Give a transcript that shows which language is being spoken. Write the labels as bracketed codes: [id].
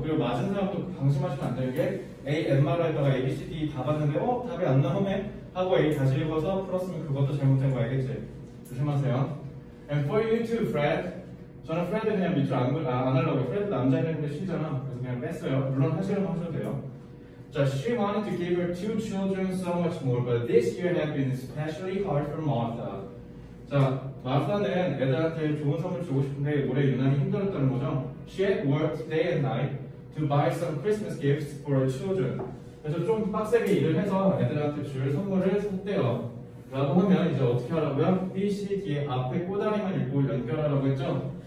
[ko] 그리고 맞은 사람도 방심하시면 안 되는 게 A, M마라 했다가 A, B, C, D 다 봤는데 어? 답이 안 나오네? 하고 A 다시 읽어서 풀었으면 그것도 잘못된 거 알겠지? 조심하세요. [en] And for you too, Fred. [ko] 저는 Fred은 그냥 밑줄 안 하려고. Fred 남자 이름인데 쉬잖아. 그래서 그냥 뺐어요. 물론 하시려면 하셔도 돼요. [en] 자, she wanted to give her two children so much more, but this year had been especially hard for Martha. [ko] 자, 마르타는 애들한테 좋은 선물 주고 싶은데 올해 유난히 힘들었다는 거죠. [en] She had worked day and night to buy some Christmas gifts for her children. [ko] 그래서 좀 빡세게 일을 해서 애들한테 줄 선물을 샀대요. 라고 하면 이제 어떻게 하라고요? B, C, D의 앞에 꼬다리만 읽고 연결하라고 했죠?